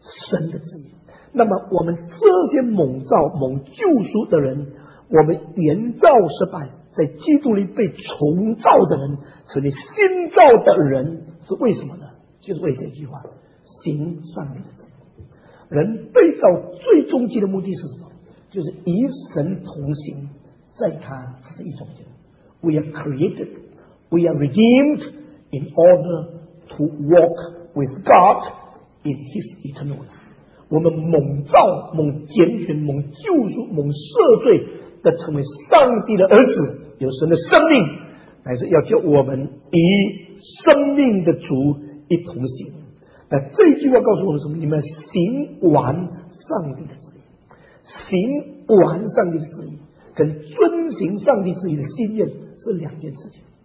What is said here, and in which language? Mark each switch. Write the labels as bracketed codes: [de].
[zh] 神的旨意，那么我们这些蒙召蒙救赎的人，我们原造失败，在基督里被重造的人，成为新造的人，是为什么呢？就是为这句话：行善的。人被造最终极的目的是什么？就是与神同行，在他旨意中间。 [en] We are created, we are redeemed in order to walk with God in His eternal life。 [zh] 我们蒙造、蒙拣选、蒙救赎、蒙赦罪的成为上帝的儿子，有神的生命，乃是要叫我们与生命的主一同行。那这句话告诉我们什么？你们行完上帝的旨意，行完上帝的旨意，跟遵行上帝旨意的心愿是两件事情。